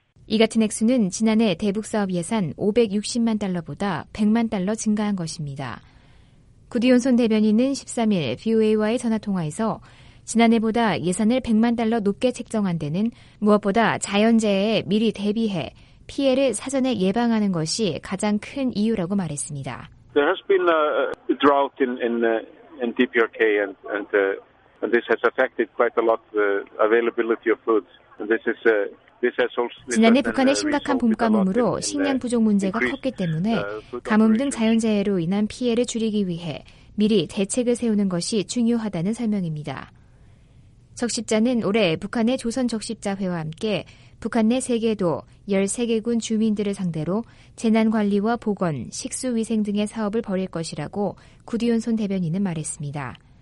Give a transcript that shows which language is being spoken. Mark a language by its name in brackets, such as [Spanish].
[Korean] 이 같은 액수는 지난해 대북사업 예산 560만 달러보다 100만 달러 증가한 것입니다. 구디온손 대변인은 13일 VOA와의 전화통화에서 지난해보다 예산을 100만 달러 높게 책정한 데는 무엇보다 자연재해에 미리 대비해 피해를 사전에 예방하는 것이 가장 큰 이유라고 말했습니다. [English] There has been a drought in DPRK and this has affected quite a lot the availability of food. And this is a [Korean] 지난해 북한의 심각한 봄 가뭄으로 식량 부족 문제가 컸기 때문에 가뭄 등 자연재해로 인한 피해를 줄이기 위해 미리 대책을 세우는 것이 중요하다는 설명입니다. 적십자는 올해 북한의 조선적십자회와 함께 북한 내 3개도 13개군 주민들을 상대로 재난관리와 복원, 식수위생 등의 사업을 벌일 것이라고 구디온손 대변인은 말했습니다.